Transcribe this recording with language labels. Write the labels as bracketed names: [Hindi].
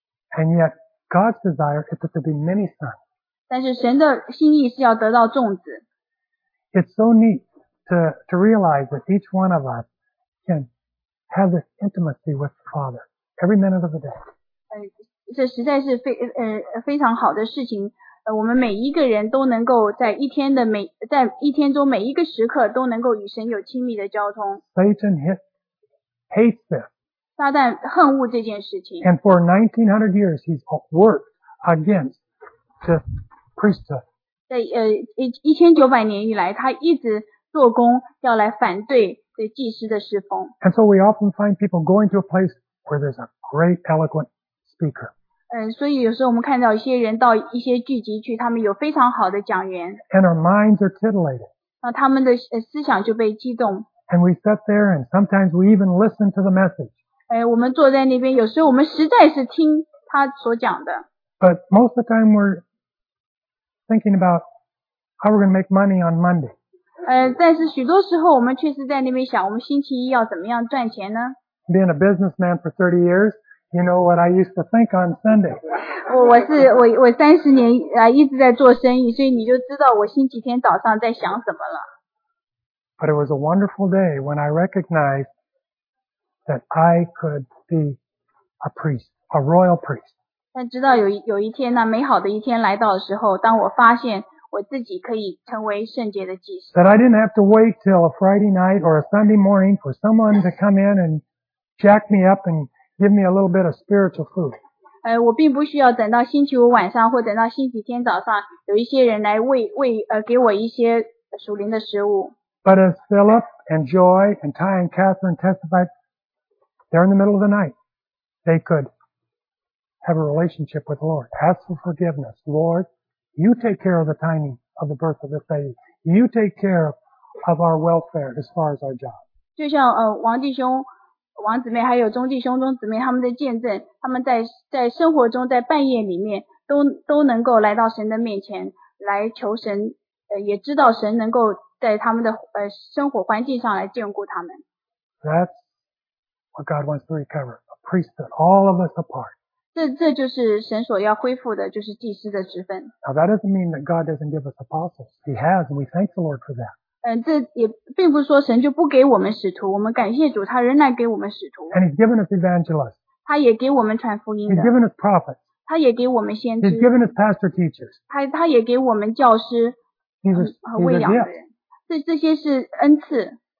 [English] And yet, God's desire is that there be many sons. [Chinese] 但是神的心意是要得到众子。 [English] It's so neat to realize that each one of us can have this intimacy with the Father every minute of the day. [Chinese] 这实在是非常好的事情。我们每一个人都能够在一天中每一个时刻都能够与神有亲密的交通。 [English] Satan hates this. [Chinese] 撒旦恨恶这件事情。 [English] And for 1900 years, he's worked against this. Priesthood. [Chinese] 在1900年以来他一直做工要来反对对祭司的侍奉。 [English] And so we often find people going to a place where there's a great eloquent speaker. [Chinese] 所以有时候我们看到一些人到一些聚集去他们有非常好的讲员。 [English] And our minds are titillated. [Chinese] 那他们的思想就被激动。 [English] And we sit there and sometimes we even listen to the message. [Chinese] 我们坐在那边有时候我们实在是听他所讲的。 [English] But most of the time we're thinking about how we're going to make money on Monday. [Chinese] 但是许多时候我们确实在那边想我们星期一要怎么样赚钱呢? [English] Being a businessman for 30 years, you know what I used to think on Sunday. [Chinese] 我30年一直在做生意所以你就知道我星期天早上在想什么了。 [English] But it was a wonderful day when I recognized that I could be a priest, a royal priest. [Chinese] 但直到有一天那美好的一天来到的时候当我发现我自己可以成为圣洁的祭司。 [English] That I didn't have to wait till a Friday night or a Sunday morning for someone to come in and jack me up and give me a little bit of spiritual food. [Chinese] 我并不需要等到星期五晚上或等到星期天早上有一些人来给我一些属灵的食物。 [English] But as Philip and Joy and Ty and Catherine testified, they're in the middle of the night. They could. Have a relationship with the Lord. Ask for forgiveness. Lord, you take care of the timing of the birth of this baby. You take care of our welfare as far as our job. [Chinese] 就像王弟兄、王姊妹还有钟弟兄、钟姊妹他们的见证，他们在生活中在半夜里面都能够来到神的面前来求神，也知道神能够在他们的生活环境上来眷顾他们。 [English] That's what God wants to recover. A priesthood, all of us apart. [Chinese] 这就是神所要恢复的，就是祭司的职分。 [English] Now that doesn't mean that God doesn't give us apostles. He has, and we thank the Lord for that. [Chinese] 这也并不是说神就不给我们使徒，我们感谢主，他仍然给我们使徒。 [English] And He's given us evangelists. [Chinese] 他也给我们传福音的。 [English] He's given us prophets. [Chinese] 他也给我们先知。 [English] He's given us pastor teachers. [Chinese] 他也给我们教师和喂养的人。这些是恩赐。